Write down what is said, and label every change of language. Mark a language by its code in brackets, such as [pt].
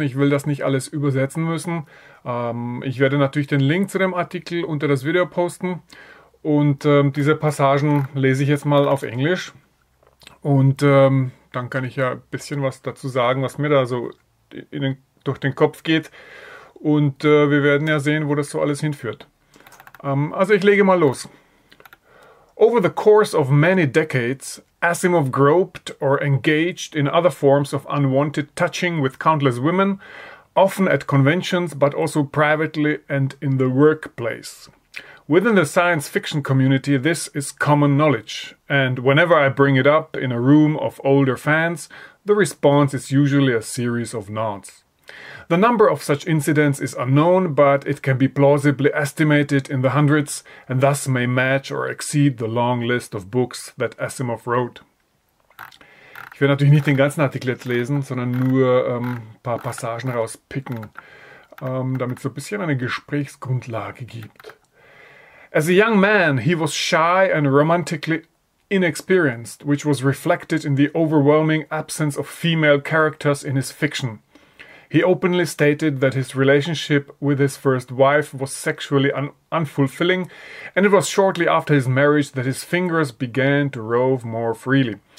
[de] Ich will das nicht alles übersetzen müssen. Ich werde natürlich den Link zu dem Artikel unter das Video posten. Und diese Passagen lese ich jetzt mal auf Englisch. Und dann kann ich ja ein bisschen was dazu sagen, was mir da so durch den Kopf geht. Und wir werden ja sehen, wo das so alles hinführt. Also ich lege mal los. [en] Over the course of many decades, Asimov groped or engaged in other forms of unwanted touching with countless women, often at conventions, but also privately and in the workplace. Within the science fiction community, this is common knowledge, and whenever I bring it up in a room of older fans, the response is usually a series of nods. The number of such incidents is unknown, but it can be plausibly estimated in the hundreds, and thus may match or exceed the long list of books that Asimov wrote. [de] Ich werde natürlich nicht den ganzen Artikel jetzt lesen, sondern nur ein paar Passagen rauspicken, damit es so ein bisschen eine Gesprächsgrundlage gibt. [en] As a young man, he was shy and romantically inexperienced, which was reflected in the overwhelming absence of female characters in his fiction. He openly stated that his relationship with his first wife was sexually unfulfilling, and it was shortly after his marriage that his fingers began to rove more freely.